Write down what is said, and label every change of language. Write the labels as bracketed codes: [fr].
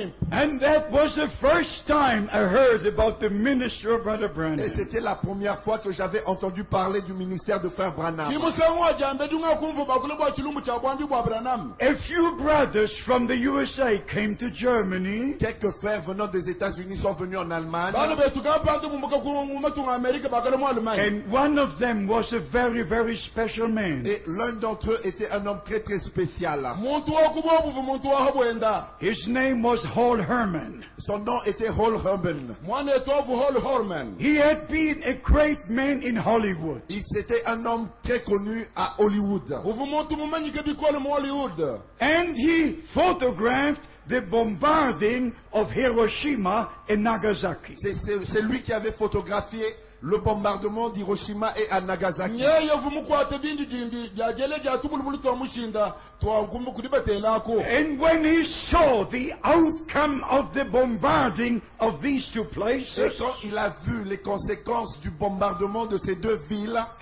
[en] And that was the first time I heard about the ministry of Brother Branham. [fr] Et c'était la première fois que j'avais entendu parler du ministère de Frère Branham. [en] A few brothers from the USA came to Germany. [fr] Quelques frères venant des États-Unis sont venus en Allemagne. [en] And one of them was a very, very special man. [fr] Et l'un d'entre eux était un homme très, très spécial. [en] His name was Hall Herman. [fr] Son nom était Hall Herman. Hall Herman. [en] He had been a great man in Hollywood. [fr] Il était un homme très connu à Hollywood. [en] And he photographed the bombarding of Hiroshima and Nagasaki. [fr] C'est lui qui avait photographié le bombardement d'Hiroshima et à Nagasaki. [en] And when he saw the outcome of the bombarding of these two places, [fr] et quand il a vu les conséquences du bombardement de ces deux villes,